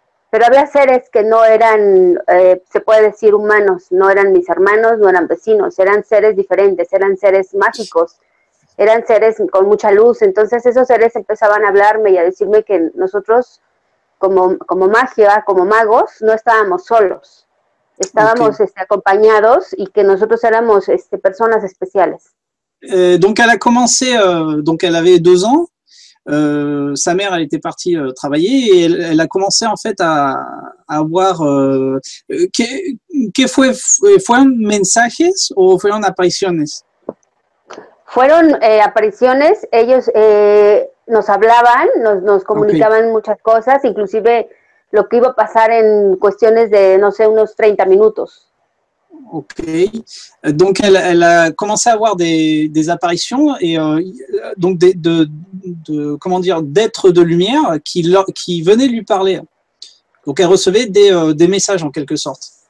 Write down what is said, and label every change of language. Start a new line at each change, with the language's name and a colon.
Spanish: pero había seres que no eran, se puede decir, humanos, no eran mis hermanos, no eran vecinos, eran seres diferentes, eran seres mágicos, eran seres con mucha luz, entonces esos seres empezaban a hablarme y a decirme que nosotros, como magia, como magos, no estábamos solos, estábamos Okay. acompañados y que nosotros éramos personas especiales.
French: Donc elle a commencé, donc elle avait 2 ans, sa mère elle était partie travailler et elle a commencé en fait à avoir,
Spanish: ¿fueron mensajes o fueron apariciones? Fueron apariciones, ellos nos hablaban, nos Okay. comunicaban muchas cosas, inclusive lo que iba a pasar en cuestiones de, no sé, unos 30 minutos.
French: Ok, donc elle a commencé à avoir des apparitions et donc comment dire, d'êtres de lumière qui venaient lui parler. Donc, elle recevait des messages, en quelque sorte.